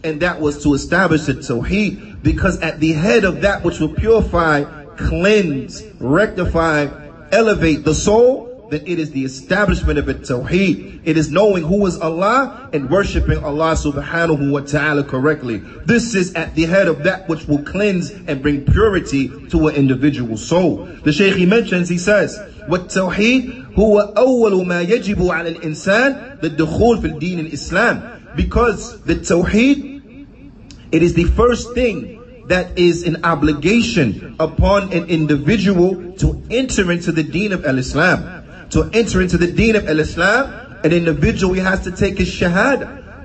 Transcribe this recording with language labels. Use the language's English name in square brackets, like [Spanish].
[English] And that was to establish the Tawheed. Because at the head of that which will purify, cleanse, rectify, elevate the soul, then it is the establishment of a Tawheed. It is knowing who is Allah and worshipping Allah subhanahu wa ta'ala correctly. This is at the head of that which will cleanse and bring purity to an individual soul. The Shaykh, he mentions, he says, [Arabic] وَالتَّوْحِيدْ هُوَ أَوَّلُ مَا يَجِبُ عَلَى الْإِنسَانِ لِلدُّخُولِ فِي الدِّينِ الْإِسْلَامِ. [English] Because the Tawheed, it is the first thing that is an obligation upon an individual to enter into the deen of Al-Islam. To enter into the deen of Al-Islam, an individual, he has to take his shahada.